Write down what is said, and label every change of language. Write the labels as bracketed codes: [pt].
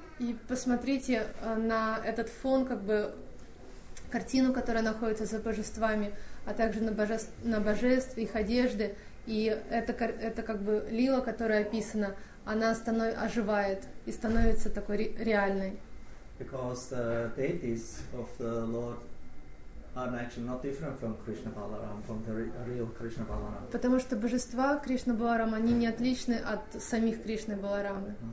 [ru] И посмотрите на этот фон, как бы картину, которая находится за божествами, а также на божеств, их одежды. И это как бы лила, которая описана, она оживает и становится такой реальной. [en] Because the deities of the Lord are actually not different from Krishna Balaram, from the real Krishna Balaram. [ru] Потому что божества Кришна Баларама, они не отличны от самих Кришны Баларамы.